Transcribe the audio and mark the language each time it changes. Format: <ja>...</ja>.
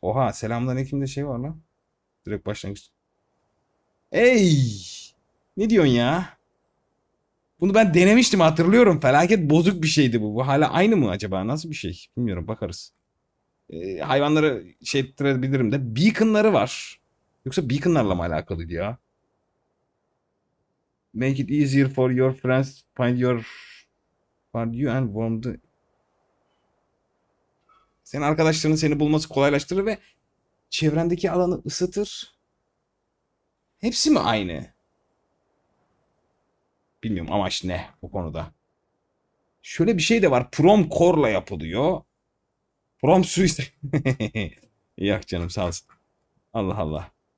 <tr>Oha, selamünaleyküm de şey var lan. Direkt başlangıç. Ey! Ne diyorsun ya? Bunu ben denemiştim, hatırlıyorum. Felaket bozuk bir şeydi bu. Bu hala aynı mı acaba? Nasıl bir şey? Bilmiyorum, bakarız. Hayvanları şey ettirebilirim de. Beaconları var. Yoksa beaconlarla mı alakalıydı ya?</tr> <en>Make it easier for your friends to find your... Find you and warm the...</en> <tr>Senin arkadaşlarının seni bulması kolaylaştırır ve çevrendeki alanı ısıtır. Hepsi mi aynı? Bilmiyorum amaç ne bu konuda. Şöyle bir şey de var. Prom Core'la yapılıyor. Prom Suicide. Yok canım, sağ olsun. Allah Allah.</tr>